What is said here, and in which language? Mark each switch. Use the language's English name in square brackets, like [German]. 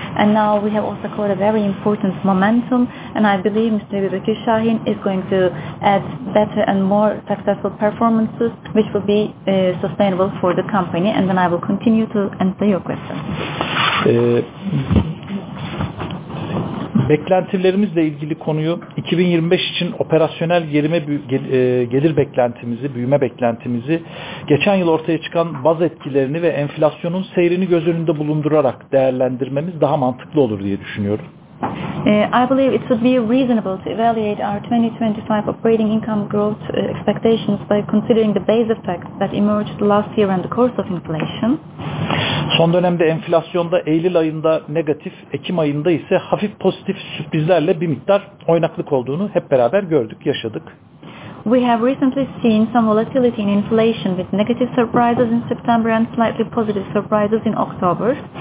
[English] And now we have also got a very important momentum. And I believe Mr. Ebu Bekir Şahin is going to add better and more successful performances, which will be sustainable for the company. And then I will continue to answer your question. [Turkish] Beklentilerimizle ilgili konuyu 2025 için operasyonel gelir beklentimizi, büyüme beklentimizi, geçen yıl ortaya çıkan baz etkilerini ve enflasyonun seyrini göz önünde bulundurarak değerlendirmemiz daha mantıklı olur diye düşünüyorum. [English] I believe it would be reasonable to evaluate our 2025 operating income growth expectations by considering the base effects that emerged last year and the course of inflation. [Turkish] Son dönemde enflasyonda Eylül ayında negatif, Ekim ayında ise hafif pozitif sürprizlerle bir miktar oynaklık olduğunu hep beraber gördük, yaşadık. [English] We have recently seen some volatility in inflation with negative surprises in September and slightly positive surprises in October.